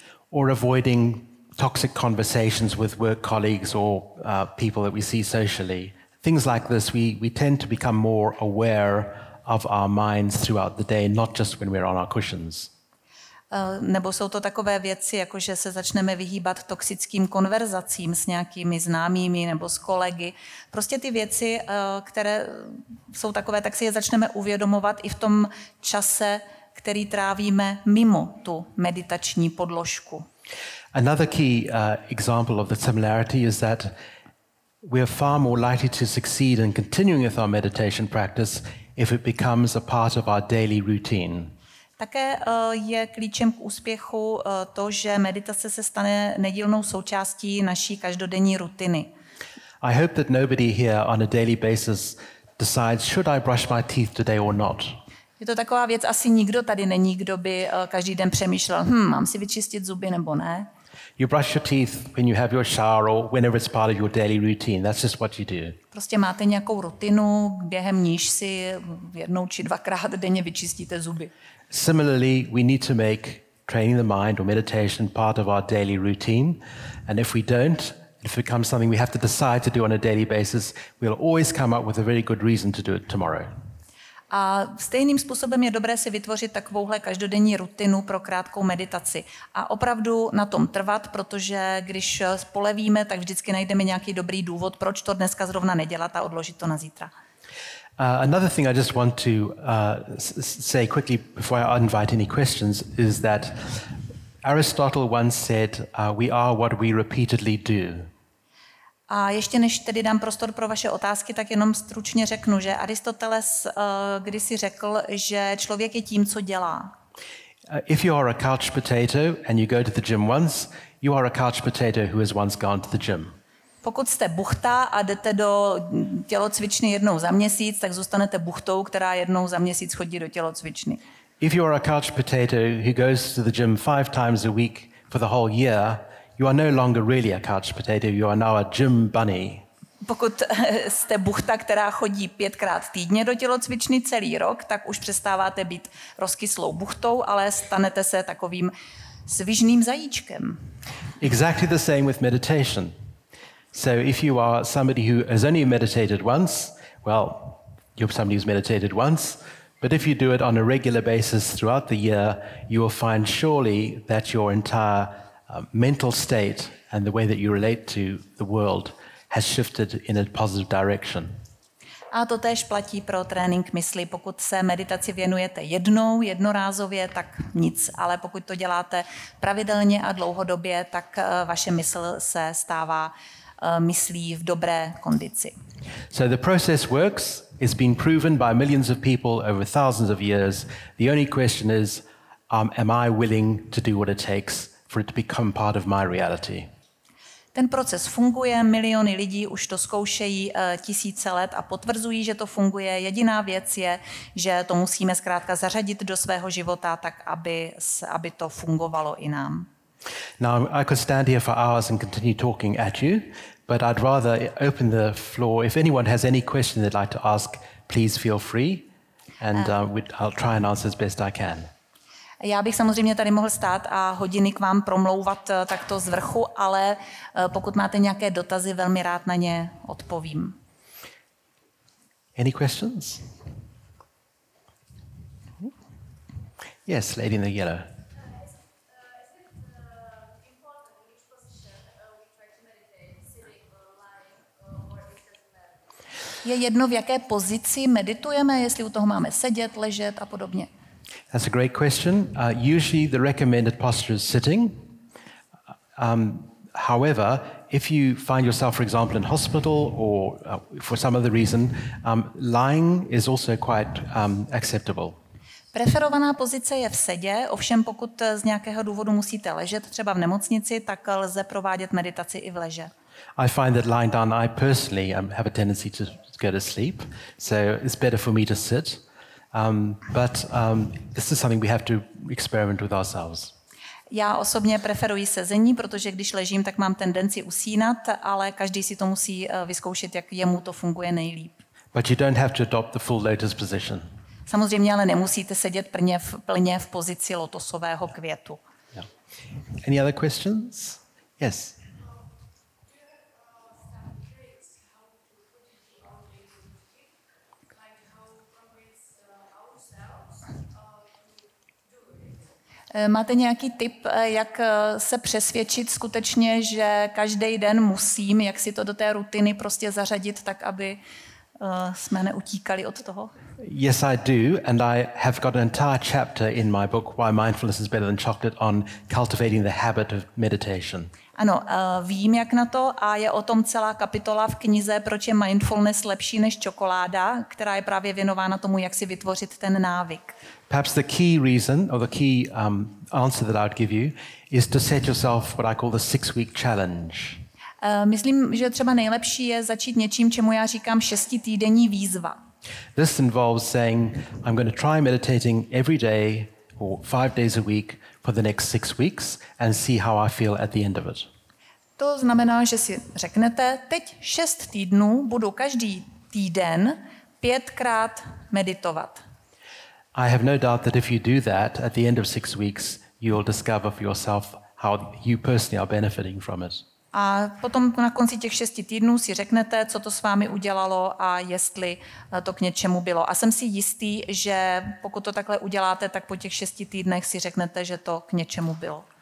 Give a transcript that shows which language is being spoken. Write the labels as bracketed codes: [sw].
[en] Or avoiding toxic conversations with work colleagues or people that we see socially. Things like this, we tend to become more aware of our minds throughout the day, not just when we're on our cushions. [cs] Nebo jsou to takové věci, jako že se začneme vyhýbat toxickým konverzacím s nějakými známými nebo s kolegy. Prostě ty věci, které jsou takové, tak si je začneme uvědomovat i v tom čase, který trávíme mimo tu meditační podložku. [en] Another key example of the similarity is that we are far more likely to succeed in continuing with our meditation practice if it becomes a part of our daily routine. [cs] Také je klíčem k úspěchu to, že meditace se stane nedílnou součástí naší každodenní rutiny. [en] I hope that nobody here on a daily basis decides should I brush my teeth today or not. [cs] Je to taková věc, asi nikdo tady není, kdo by každý den přemýšlel, mám si vyčistit zuby nebo ne. [en] You brush your teeth when you have your shower or whenever it's part of your daily routine. That's just what you do. [cs] Prostě máte nějakou rutinu, během níž si jednou či dvakrát denně vyčistíte zuby. [en] Similarly, we need to make training the mind or meditation part of our daily routine. And if we don't, if it becomes something we have to decide to do on a daily basis, we'll always come up with a very good reason to do it tomorrow. [cs] A stejným způsobem je dobré si vytvořit takovouhle každodenní rutinu pro krátkou meditaci. A opravdu na tom trvat, protože když polevíme, tak vždycky najdeme nějaký dobrý důvod, proč to dneska zrovna nedělat a odložit to na zítra. [en] Another thing I just want to say quickly before I invite any questions is that Aristotle once said, we are what we repeatedly do. [cs] A ještě než tedy dám prostor pro vaše otázky, tak jenom stručně řeknu, že Aristoteles kdysi řekl, že člověk je tím, co dělá. [en] If you are a couch potato and you go to the gym once, you are a couch potato who has once gone to the gym. [cs] Pokud jste buchta a jdete do tělocvičny jednou za měsíc, tak zůstanete buchtou, která jednou za měsíc chodí do tělocvičny. [en] If you are a couch potato who goes to the gym 5 times a week for the whole year, you are no longer really a couch potato, you are now a gym bunny. [cs] Pokud jste buchta, která chodí 5x týdně do tělocvičny celý rok, tak už přestáváte být rozkyslou buchtou, ale stanete se takovým svižným zajíčkem. [en] Exactly the same with meditation. So if you are somebody who has only meditated once, well, you're somebody who's meditated once, but if you do it on a regular basis throughout the year, you will find surely that your entire mental state and the way that you relate to the world has shifted in a positive direction. [cs] A to též platí pro trénink mysli. Pokud se meditaci věnujete jednou, jednorázově, tak nic. Ale pokud to děláte pravidelně a dlouhodobě, tak vaše mysl se stává myslí v dobré kondici. [en] So the process works. It's been proven by millions of people over thousands of years. The only question is, am I willing to do what it takes for it to become part of my reality? [cs] Ten proces funguje, miliony lidí už to zkoušejí tisíce let a potvrzují, že to funguje. Jediná věc je, že to musíme zkrátka zařadit do svého života tak, aby to fungovalo i nám. [en] Now, I could stand here for hours and continue talking at you, but I'd rather open the floor. If anyone has any question they'd like to ask, please feel free, and I'll try and answer as best I can. [cs] Já bych samozřejmě tady mohl stát a hodiny k vám promlouvat takto z vrchu, ale pokud máte nějaké dotazy, velmi rád na ně odpovím. [en] Any questions? Yes, lady in the yellow. [cs] Je jedno, v jaké pozici meditujeme, jestli u toho máme sedět, ležet a podobně. [en] That's a great question. Usually the recommended posture is sitting. However, if you find yourself, for example, in hospital or for some other reason, lying is also quite acceptable. [cs] Preferovaná pozice je v sedě, ovšem pokud z nějakého důvodu musíte ležet, třeba v nemocnici, tak lze provádět meditaci i v leže. [en] I find that lying down, I personally have a tendency to go to sleep, so it's better for me to sit. But this is something we have to experiment with ourselves. [cs] Já osobně preferuji sezení, protože když ležím, tak mám tendenci usínat, ale každý si to musí vyzkoušet, jak jemu to funguje nejlíp. [en] But you don't have to adopt the full lotus position. [cs] Samozřejmě, ale nemusíte sedět plně v pozici lotosového květu. [en] Yeah. Any other questions? Yes. [cs] Máte nějaký tip, jak se přesvědčit skutečně, že každý den musím, jak si to do té rutiny prostě zařadit, tak aby jsme neutíkali od toho? [en] Yes, I do, and I have got an entire chapter in my book Why Mindfulness is Better Than Chocolate on cultivating the habit of meditation. [cs] Ano, vím, jak na to, a je o tom celá kapitola v knize Proč je mindfulness lepší než čokoláda, která je právě věnována tomu, jak si vytvořit ten návyk. [en] Perhaps the key reason or the key answer that I would give you is to set yourself what I call the 6-week challenge. [cs] Myslím, že třeba nejlepší je začít něčím, čemu já říkám 6-týdenní výzva. [en] This involves saying I'm going to try meditating every day or 5 days a week for the next 6 weeks and see how I feel at the end of it. [cs] To znamená, že si řeknete, teď 6 týdnů budu každý týden 5x meditovat. [en] I have no doubt that if you do that at the end of 6 weeks, you'll discover for yourself how you personally are benefiting from it. [cs] A potom na konci těch šesti týdnů si řeknete, co to s vámi udělalo a jestli to k něčemu bylo. A jsem si jistý, že pokud to takhle uděláte, tak po těch šesti týdnech si řeknete, že to k něčemu bylo.